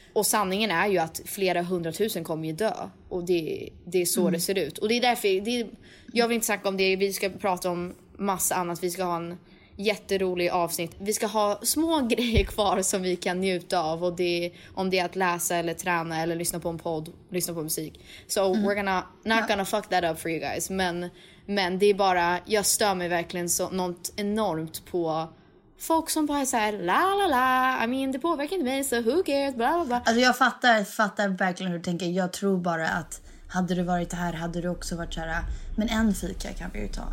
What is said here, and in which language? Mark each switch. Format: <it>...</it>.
<sv>Och sanningen är ju att flera hundratusen kommer ju dö. Och det är så det ser ut. Och det är därför, jag vill inte snacka om det. Vi ska prata om massa annat. Vi ska ha en jätterolig avsnitt. Vi ska ha små grejer kvar som vi kan njuta av. Och det, om det är att läsa eller träna eller lyssna på en podd, lyssna på musik.</sv> <en>So we're gonna, not gonna fuck that up for you guys.</en> <sv>Men det är bara, jag stör mig verkligen så något enormt på... Folk som bara säger la la la,</sv> <en>I mean,</en> <sv>det påverkar inte mig, så</sv> <en>who cares,</en> <sv>bla bla bla. Alltså jag fattar verkligen hur du tänker. Jag tror bara att hade du varit här hade du också varit så här, men en fika kan vi ju ta.</sv>